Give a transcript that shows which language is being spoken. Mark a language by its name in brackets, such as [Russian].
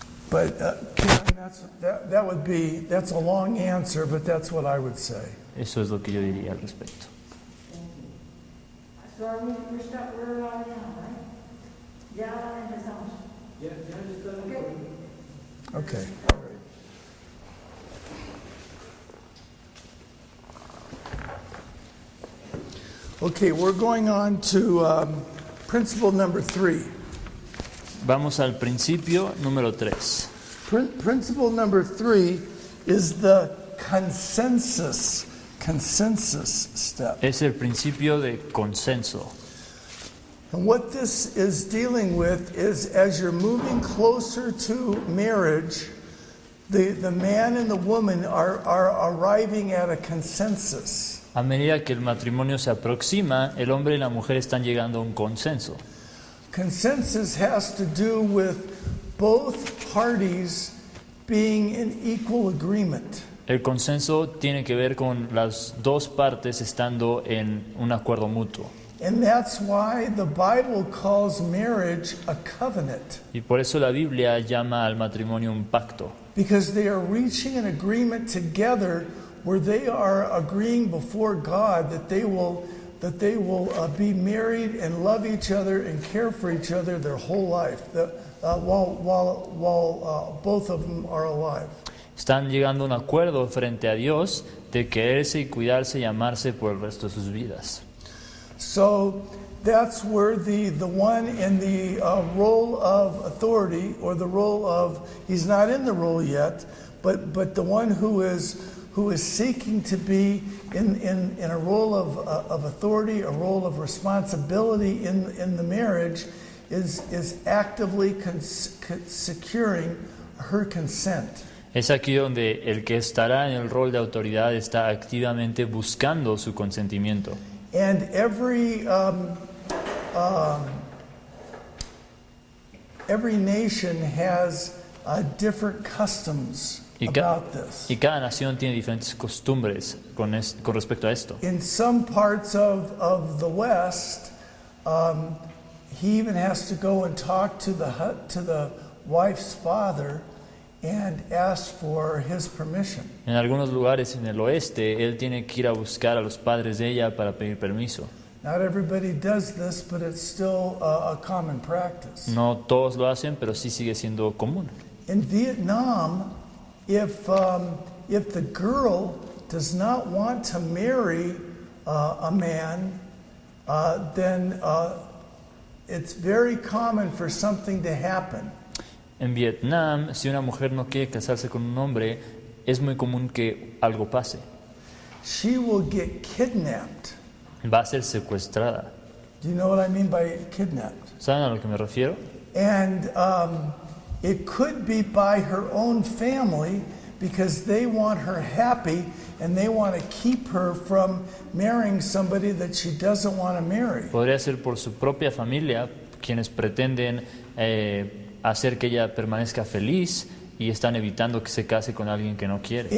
[English] But that would be, that's a long answer, but that's what I would say. [Spanish] Eso es lo que yo diría al respecto. [English] So are we stuck where we are now, right? Yeah, and his house. Yeah, okay. Okay, we're going on to principle number three. [Spanish] Vamos al principio número tres. [English] Principle number three is the consensus step. [Spanish] Es el principio de consenso. [English] And what this is dealing with is, as you're moving closer to marriage, the man and the woman are arriving at a consensus. [Spanish] A medida que el matrimonio se aproxima, el hombre y la mujer están llegando a un consenso. [English] Consensus has to do with both parties being in equal agreement. [Spanish] El consenso tiene que ver con las dos partes estando en un acuerdo mutuo. [English] And that's why the Bible calls marriage a covenant. [Spanish] Y por eso la Biblia llama al matrimonio un pacto. [English] Because they are reaching an agreement together, where they are agreeing before God that they will be married and love each other and care for each other their whole life, while both of them are alive. [Spanish] Están llegando a un acuerdo frente a Dios de quererse y cuidarse y amarse por el resto de sus vidas. [English] So that's where the one in the role of authority, or the role of, he's not in the role yet, but the one who is seeking to be in a role of authority, a role of responsibility in the marriage, is actively securing her consent. [Spanish] Es aquí donde el que estará en el rol de autoridad está activamente buscando su consentimiento. [English] And every every nation has different customs. [Spanish] Y cada nación tiene diferentes costumbres con respecto a esto. [English] In some parts of the West, He even has to go and talk to the wife's father and ask for his permission. [Spanish] En algunos lugares en el oeste, él tiene que ir a buscar a los padres de ella para pedir permiso. [English] Not everybody does this, but it's still a common practice. [Spanish] No todos lo hacen, pero sí sigue siendo común. [English] In Vietnam, if the girl does not want to marry a man, then it's very common for something to happen. [Spanish] En Vietnam, si una mujer no quiere casarse con un hombre, es muy común que algo pase. [English] She will get kidnapped. [Spanish] Va a ser secuestrada. [English] Do you know what I mean by kidnapped? [Spanish] ¿Saben a lo que me refiero? [English] And it could be by her own family because they want her happy and they want to keep her from marrying somebody that she doesn't want to marry. [Spanish] Podría ser por su propia familia, quienes pretenden hacer que ella permanezca feliz y están evitando que se case con alguien que no quiere.